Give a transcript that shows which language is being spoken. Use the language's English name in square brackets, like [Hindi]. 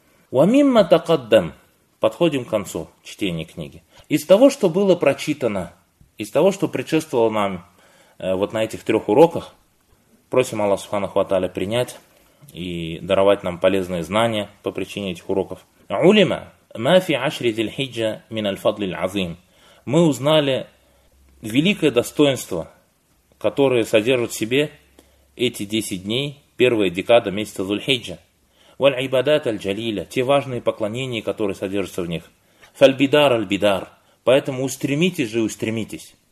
[Arabic] Уамимма такаддам. [Russian] Подходим к концу чтения книги. Из того, что было прочитано, из того, что предшествовало нам вот на этих трех уроках, просим Аллах Субханаху ва Тааля принять и даровать нам полезные знания по причине этих уроков. [Arabic] علم ما في عشر ذي الحجة من الفضل العظيم. [Russian] Мы узнали великое достоинство, которое содержит в себе эти 10 дней, первая декада месяца Зульхиджа. [Arabic] Валь-Ибадат аль-Джалиля, [Russian] те важные поклонения, которые содержатся в них. [Arabic] Фаль-Бидар аль-Бидар, [Russian] поэтому устремитесь же и устремитесь.